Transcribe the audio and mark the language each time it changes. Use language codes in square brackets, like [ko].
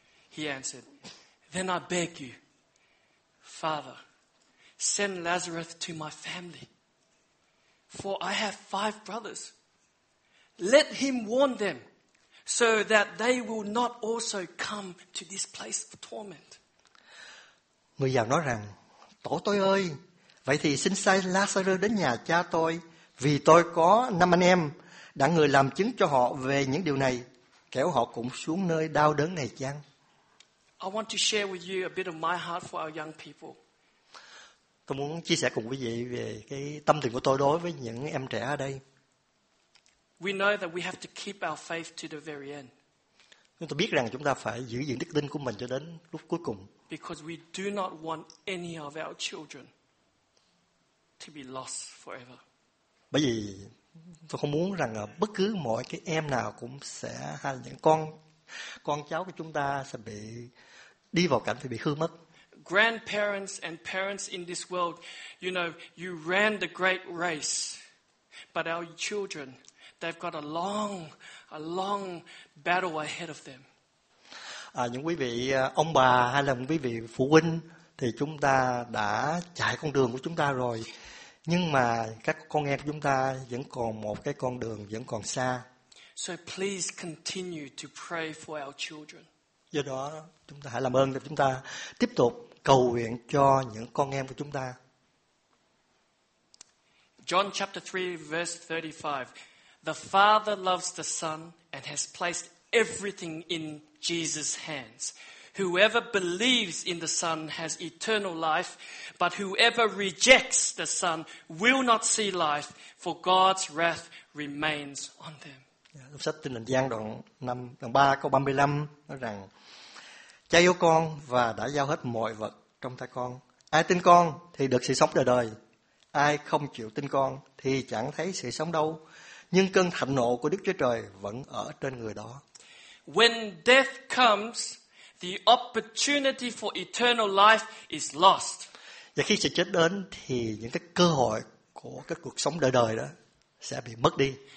[en] He answered, then I beg you, Father, send Lazarus to my family. For I have 5 brothers. Let him warn them so that they will not also come to this place of torment. [vi] Người giàu nói rằng, tổ tôi ơi, vậy thì xin sai Lazarus đến nhà cha tôi, vì tôi có 5 anh em, đã người làm chứng cho họ về những điều này, kẻo họ cũng xuống nơi đau đớn này chăng. [en] I want to share with you a bit of my heart for our young people. [vi] Tôi muốn chia sẻ cùng quý vị về cái tâm tình của tôi đối với những em trẻ ở đây. [en] We know that we have to keep our faith to the very end. [vi] Chúng tôi biết rằng chúng ta phải giữ vững đức tin của mình cho đến lúc cuối cùng. [en] Because we do not want any of our children to be lost forever. [vi] Bởi vì tôi không muốn rằng bất cứ mọi cái em nào cũng sẽ hay những con cháu của chúng ta sẽ bị đi vào cảnh thì bị hư mất. [en] Grandparents and parents in this world, you know, you ran the great race, but our children, they've got a long battle ahead of them. [vi] Những quý vị ông bà hay là quý vị phụ huynh thì chúng ta đã chạy con đường của chúng ta rồi, nhưng mà các con em của chúng ta vẫn còn một cái con đường vẫn còn xa. [en] So please continue to pray for our children. [vi] Do đó chúng ta hãy làm ơn để chúng ta tiếp tục cầu nguyện cho những con em của chúng ta. [en] John chapter 3 verse 35. The Father loves the Son and has placed everything in Jesus' hands. Whoever believes in the Son has eternal life, but whoever rejects the Son will not see life, for God's wrath remains on them. [vi] Trong sách Tin Lành Giăng đoạn 5, đoạn 3 câu 35 nói rằng: Cha yêu con và đã giao hết mọi vật trong tay con. Ai tin con thì được sự sống đời đời. Ai không chịu tin con thì chẳng thấy sự sống đâu. Nhưng cơn thạnh nộ của Đức Chúa Trời vẫn ở trên người đó. [en] When death comes, the opportunity for eternal life is lost. [vi] Và khi sự chết đến thì những cái cơ hội của cái cuộc sống đời đời đó sẽ bị mất đi.